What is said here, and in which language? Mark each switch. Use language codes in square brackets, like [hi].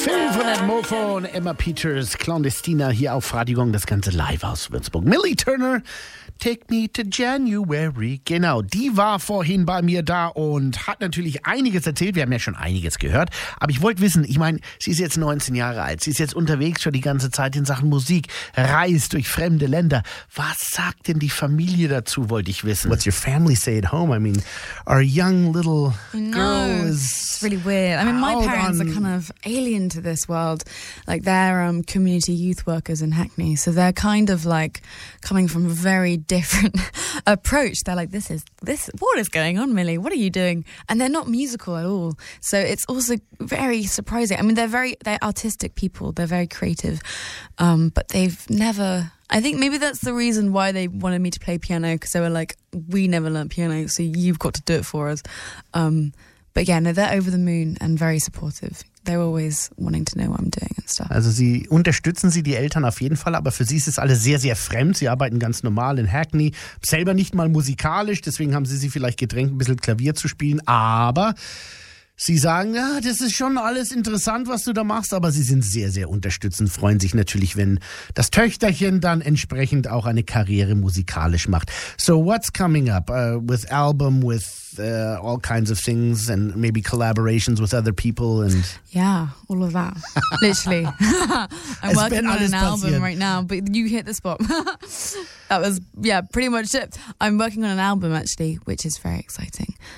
[de] Phil von Mofo und Emma Peters, Clandestina hier auf Radio Gong, das Ganze live aus Würzburg. Millie Turner, Take Me to January. Genau, die war vorhin bei mir da und hat natürlich einiges erzählt. Wir haben ja schon einiges gehört. Aber ich wollte wissen, ich meine, sie ist jetzt 19 Jahre alt. Sie ist jetzt unterwegs schon die ganze Zeit in Sachen Musik, reist durch fremde Länder. Was sagt denn die Familie dazu, wollte ich wissen. [en] What's your family say at home? I mean, our young little girl is... It's really weird. I mean, my parents are kind of alien to this world. Like, they're community youth workers in Hackney. So they're kind of like coming from a very different approach. They're like, what is going on, Millie? What are you doing? And they're not musical at all. So it's also very surprising. I mean, they're artistic people. They're very creative. But they've never... I think maybe that's the reason why they wanted me to play piano, because they were like, we never learned piano, so you've got to do it for us. But yeah, no, they're over the moon and very supportive. They're always wanting to know what I'm doing and stuff. [de] Also sie unterstützen sie, die Eltern auf jeden Fall, aber für sie ist es alles sehr, sehr fremd. Sie arbeiten ganz normal in Hackney, selber nicht mal musikalisch, deswegen haben sie sie vielleicht gedrängt, ein bisschen Klavier zu spielen, aber... Sie sagen, ja, das ist schon alles interessant, was du da machst, aber sie sind sehr, sehr unterstützend, freuen sich natürlich, wenn das Töchterchen dann entsprechend auch eine Karriere musikalisch macht. [en] So what's coming up with album, with all kinds of things and maybe collaborations with other people and... Yeah, all of that, literally. I'm working on an album right now, but you hit the spot. That was, yeah, pretty much it. I'm working on an album actually, which is very exciting.